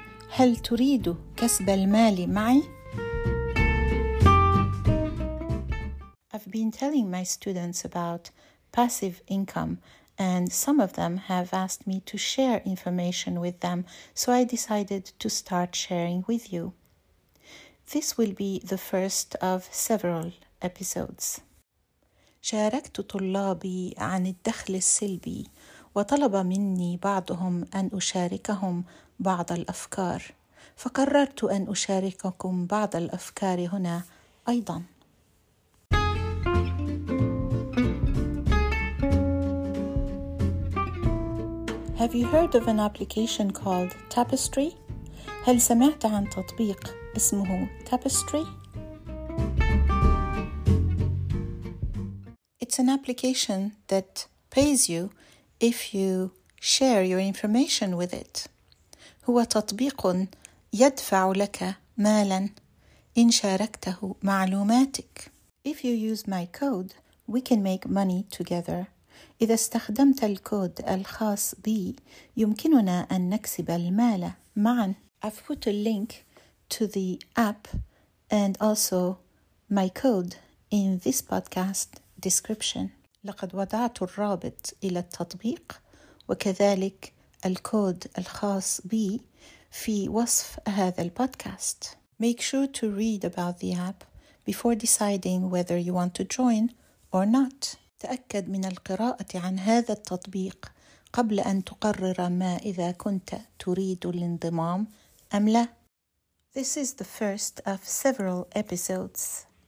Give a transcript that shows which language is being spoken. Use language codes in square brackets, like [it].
[ar] هل تريد كسب المال معي؟ [en] I've been telling my students about passive income, and some of them have asked me to share information with them, so I decided to start sharing with you. This will be the first of several episodes. [ar] شاركت طلابي عن الدخل السلبي وطلب مني بعضهم أن أشاركهم بعض الأفكار فقررت أن أشارككم بعض الأفكار هنا أيضا. [en] Have you heard of an application called Tapestri? [ar] هل سمعت عن تطبيق اسمه Tapestri? [en] It's an application that pays you if you share your information with it. [ar] هو تطبيق يدفع لك مالا إن شاركته معلوماتك. [en] If you use my code, we can make money together. [ar] إذا استخدمت الكود الخاص بي يمكننا أن نكسب المال معا. [en] I've put a link to the app and also my code in this podcast description. [ar] لقد وضعت الرابط إلى التطبيق وكذلك الكود الخاص بي في وصف هذا البودكاست. [en] Make sure to read about the app before deciding whether you want to join or not. [ar] تأكد من القراءة عن هذا التطبيق قبل أن تقرر ما إذا كنت تريد الانضمام أم لا. [en] This is the first of several episodes.